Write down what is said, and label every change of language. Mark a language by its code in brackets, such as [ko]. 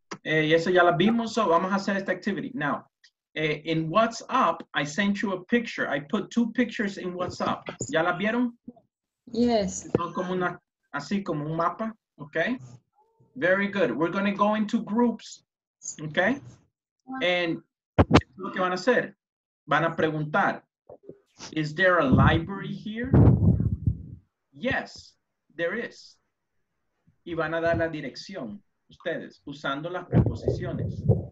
[es] Esa ya la vimos, so vamos a hacer esta activity. [en] Now, in WhatsApp, I sent you a picture. I put two pictures in WhatsApp. [es] ¿Ya la vieron? [en] Yes. [es] Como una, así como un mapa, okay? [en] Very good. We're gonna go into groups, okay? And [es] lo que van a hacer? Van a preguntar, [en] is there a library here? Yes, there is. [es] y van a dar la dirección ustedes usando las preposiciones.